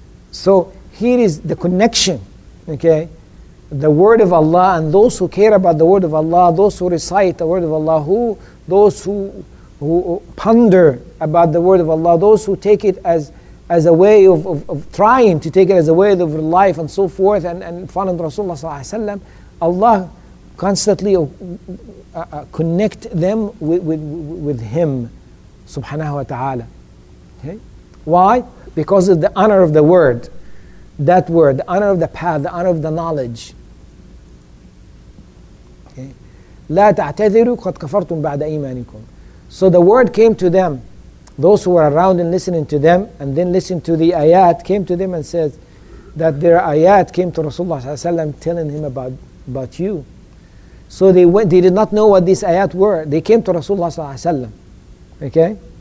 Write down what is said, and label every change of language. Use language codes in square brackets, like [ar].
[en] So here is the connection, okay? The word of Allah and those who care about the word of Allah, those who recite the word of Allah, those who ponder about the word of Allah, those who take it as a way of trying to take it as a way of life and so forth, and following Rasulullah صلى الله عليه وسلم, Allah constantly connect them with Him, Subhanahu wa Taala. Okay, why? Because of the honor of the word, that word, the honor of the path, the honor of the knowledge. [ar] لا تعتذروا قد كفرتم بعد إيمانكم. [en] So the word came to them, those who were around and listening to them, and then listened to the ayat, came to them and said that their ayat came to Rasulullah صلى الله عليه وسلم telling him about you. So they went, they did not know what these ayat were. They came to Rasulullah صلى الله عليه وسلم. Okay?